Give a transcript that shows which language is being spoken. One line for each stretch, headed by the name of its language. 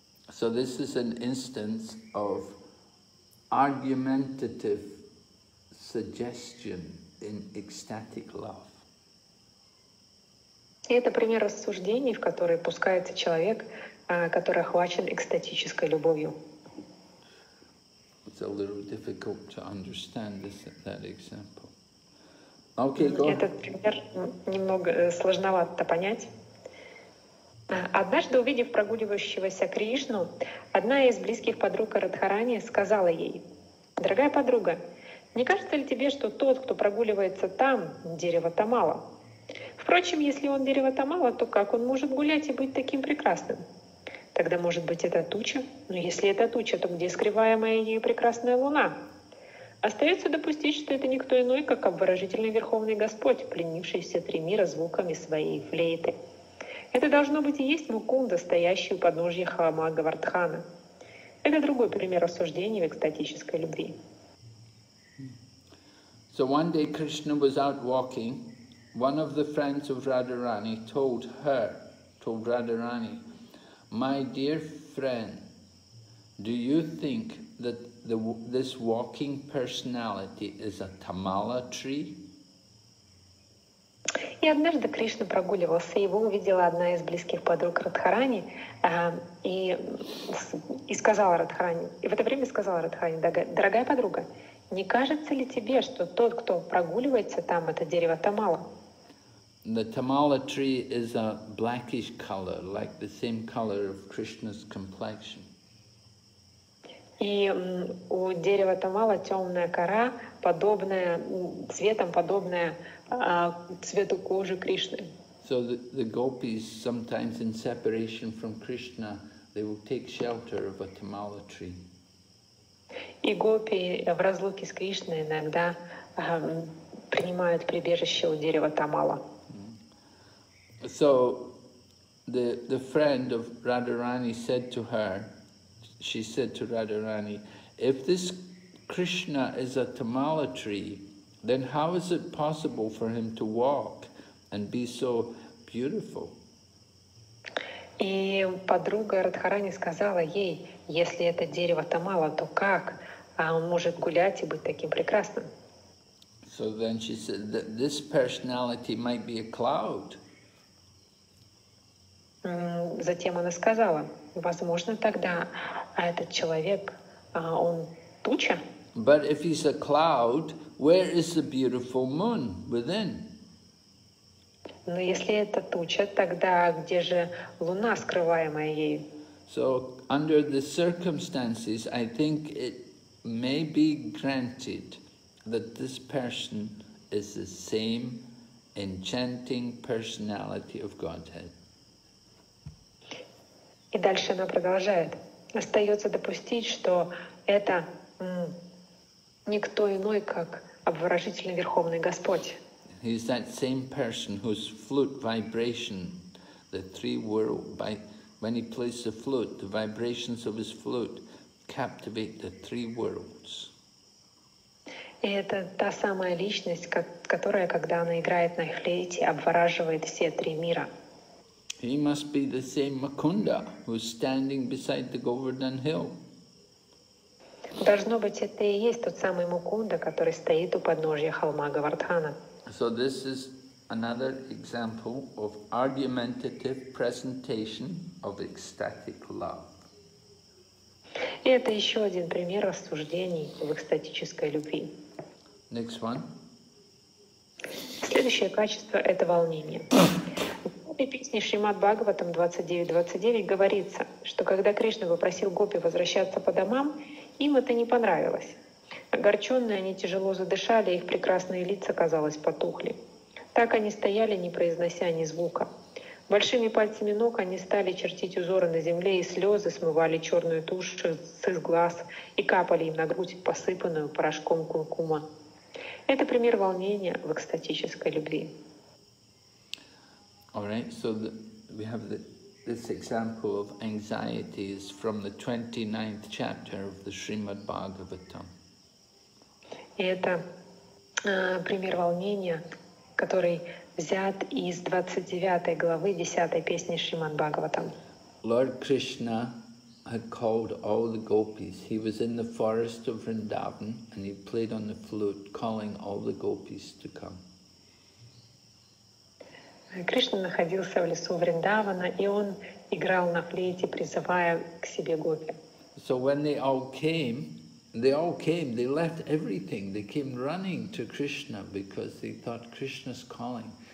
English: So this is an instance of argumentative suggestion in ecstatic love.
Russian: И это пример рассуждений, в которые пускается человек, который охвачен экстатической любовью.
English: It's a little difficult to understand this, that example. Okay, go.
Russian: Этот пример немного сложновато понять. Однажды, увидев прогуливающегося Кришну, одна из близких подруг Радхарани сказала ей: «Дорогая подруга, не кажется ли тебе, что тот, кто прогуливается там, дерево Тамала? Впрочем, если он дерево Тамала, то как он может гулять и быть таким прекрасным? Тогда, может быть, это туча? Но если это туча, то где скрываемая ее прекрасная луна? Остается допустить, что это никто иной, как обворожительный Верховный Господь, пленившийся три мира звуками своей флейты. Это должно быть и есть Мукунда, стоящий у подножья холма Говардхана. Это другой пример рассуждений в экстатической любви».
English: So one day Krishna was out walking. One of the friends of Radharani told Radharani, My dear friend, do you think that this walking personality is a tamala tree?
Russian: И однажды Кришна прогуливался, его увидела одна из близких подруг Радхарани, и сказала Радхарани, и в это время сказала Радхарани, дорогая подруга, не кажется ли тебе, что тот, кто прогуливается там, это дерево тамала?
English: The tamala tree is a blackish color, like the same color of Krishna's complexion.
Russian: И у дерева тамала темная кора, подобная цветом, подобная цвету кожи Кришны.
English: So the gopis sometimes, in separation from Krishna, they will take shelter of a tamala tree.
Russian: И гопи в разлуке с Кришной иногда принимают прибежище у дерева тамала.
English: So the friend of Radharani said to her, she said to Radharani, if this Krishna is a tamala tree, then how is it possible for him to walk and be so beautiful?
Russian: И подруга Радхарани сказала ей, если это дерево тамала, то как он может гулять и быть таким прекрасным?
English: So then she said that this personality might be a cloud.
Russian: Затем она сказала, возможно, тогда этот человек, он туча.
English: But if he's a cloud, where is the beautiful moon within?
Russian: Но если это туча, тогда где же луна, скрываемая ею?
English: So, under the circumstances, I think it may be granted that this person is the same enchanting personality of Godhead.
Russian: И дальше она продолжает. Остается допустить, что это никто иной, как обворожительный Верховный Господь.
English: He's that same person whose flute vibration, the three world, by, when he plays the flute, the vibrations of his flute captivate the three worlds.
Russian: И это та самая личность, которая, когда она играет на флейте, обвораживает все три мира.
English: He must be the same Mukunda who's standing beside the Govardhan Hill.
Russian: Должно быть, это и есть тот самый Мукунда, который стоит у подножья холма Говардхана.
English: So this is Another example of argumentative presentation of ecstatic love.
Russian: И это еще один пример рассуждений в экстатической любви.
English: Next one.
Russian: Следующее качество – это волнение. В этой песне Шримад Бхагаватам 29.29 говорится, что когда Кришна попросил гопи возвращаться по домам, им это не понравилось. Огорченные они тяжело задышали, их прекрасные лица, казалось, потухли. Так они стояли, не произнося ни звука. Большими пальцами ног они стали чертить узоры на земле, и слезы смывали черную тушь с их глаз и капали им на грудь, посыпанную порошком куркума. Это пример волнения в экстатической любви.
English: All right, so we have this example of anxieties from the 29th chapter of the Srimad Bhagavatam.
Russian: Это пример волнения, который взят из 29 главы 10 песни Шримад Бхагаватам.
English: Lord Krishna had called all the gopis. He was in the forest of Vrindavan and he played on the flute, calling all the gopis to come.
Russian: Кришна находился в лесу Вриндавана, и он играл на флейте, призывая к себе гопи.
English: So when they all came, they left everything. They came running to Krishna because they thought Krishna's calling.